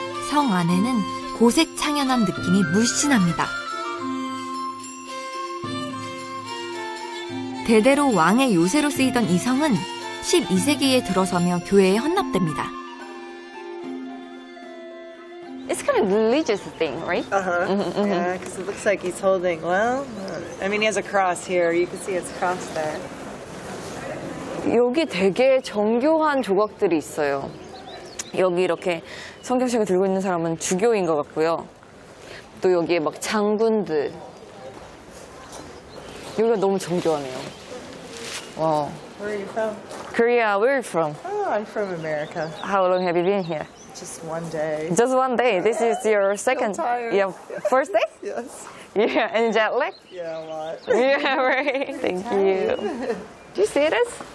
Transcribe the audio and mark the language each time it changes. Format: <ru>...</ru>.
<ko>성 안에는 고색 창연한 느낌이 물씬 납니다. 대대로 왕의 요새로 쓰이던 이 성은 12세기에 들어서며 교회에 헌납됩니다.</ko> <en>It's kind of religious thing, right? Uh-huh. Mm-hmm. Yeah, because it looks like he's holding. Well, I mean, he has a cross here. You can see his cross there.</en> <ko>여기 되게 정교한 조각들이 있어요. 여기 이렇게 성경책을 들고 있는 사람은 주교인 것 같고요. 또 여기에 막 장군들. 여기가 너무 정교하네요. 와.</ko> <en>Where are you from? Korea, where are you from? Oh, I'm from America. How long have you been here? Just one day. Just one day? This is your second? I'm tired. Yeah, first day? Yes. Yeah, and jet lag? Yeah, a lot. Yeah, right. Thank you. Do you see this?</en>